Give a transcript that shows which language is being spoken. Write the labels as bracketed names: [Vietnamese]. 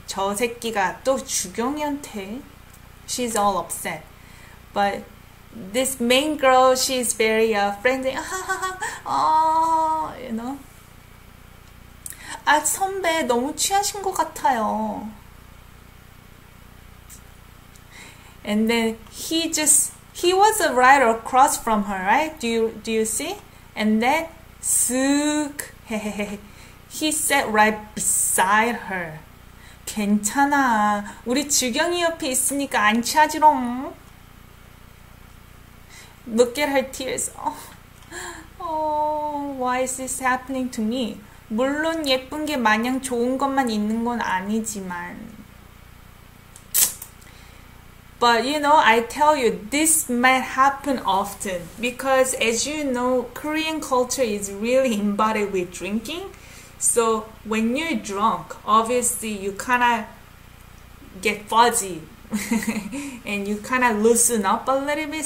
[Korean] 저 새끼가 또 주경이한테. [English] She's all upset. But this main girl, she's very friendly. you know? [Korean] 아, 선배, 너무 취하신 것 같아요. [English] And then he was right across from her, right? Do you see? And then, sook, he sat right beside her. [Korean] 괜찮아. 우리 주경이 옆에 있으니까 안 취하지롱. [English] Look at her tears. Oh, why is this happening to me? [Korean] 물론 예쁜 게 마냥 좋은 것만 있는 건 아니지만. [English] But you know, I tell you, this might happen often because, as you know, Korean culture is really embodied with drinking. So when you're drunk, obviously you kinda get fuzzy and you kinda loosen up a little bit.